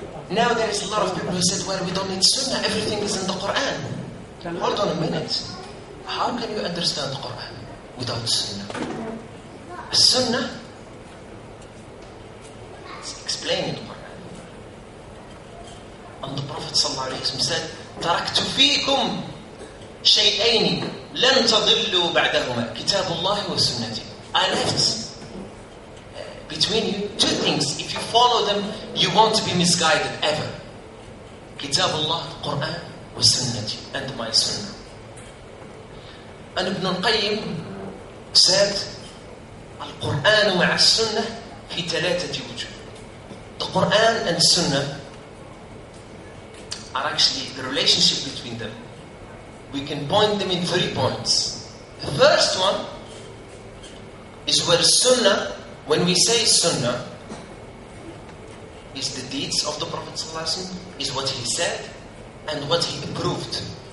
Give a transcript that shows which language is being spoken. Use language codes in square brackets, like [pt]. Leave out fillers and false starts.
[en] Now there is a lot of people who said, well, we don't need sunnah, everything is in the Quran. Hold on a minute. How can you understand the Quran without sunnah? A sunnah? It's explaining the Quran. [ar] And the Prophet said, تَرَكْتُ فِيكُمْ شَيْئَيْنِ لَمْ تَضِلُّوا بَعْدَهُمَا كِتَابُ اللَّهِ وَسُنَّتِي. [en] I left between you two things. If you follow them, you won't be misguided ever. [ar] كتاب الله القرآن وسنتي [en] and my sunnah. And Ibn al-Qayyim said, [ar] القرآن مع السنة في ثلاثة وجوه. [en] The Quran and sunnah are actually the relationship between them. We can point them in three points. The first one is where sunnah, when we say sunnah, is the deeds of the Prophet ﷺ, is what he said and what he approved.